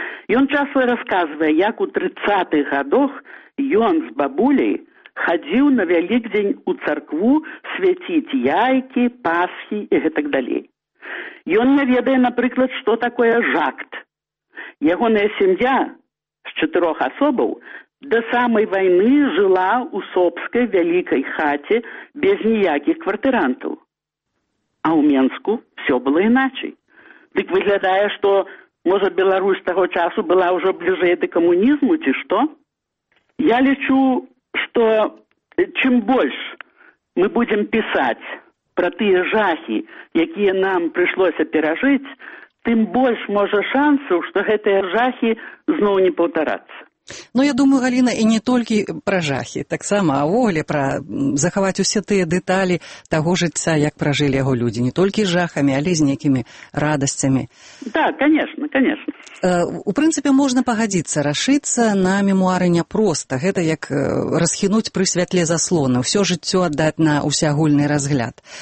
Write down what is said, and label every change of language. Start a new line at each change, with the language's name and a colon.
Belarusian: Ён часу расказвае, як у 30-х гадах ён з бабуляй хадзіў на вялікдзень у царкву свяціць яйкі, пасхі і гэтак далей. Ён не ведае, напрыклад, што такое жакт. Ягоная сям'я з 4 асобаў да самай вайны жыла ў сопскай вялікай хаце без ніякіх квартырантаў.
Russian: А ў Менску все было иначе. Так выглядая, что, может, Беларусь того часу была уже ближе до коммунизму, чи что? Я лечу, что чем больше мы будем писать про те жахи, какие нам пришлось пережить, тем больше, может, шансов, что эти жахи снова не повторятся.
Belarusian: Ну, я думаю, Галіна, і не толькі пра жахі, таксама, а ўвогуле пра захаваць усе тыя дэталі таго жыцця, як пражылі яго людзі, не толькі жахамі, але з некімі радасцямі.
Russian: Так, конечно, конечно.
Belarusian: У прынцыпе, можна пагадзіцца, рашыцца на мемуары няпроста, гэта як расхінуць пры святле заслоны, ўсё жыццё аддаць на ўсеагульны разгляд.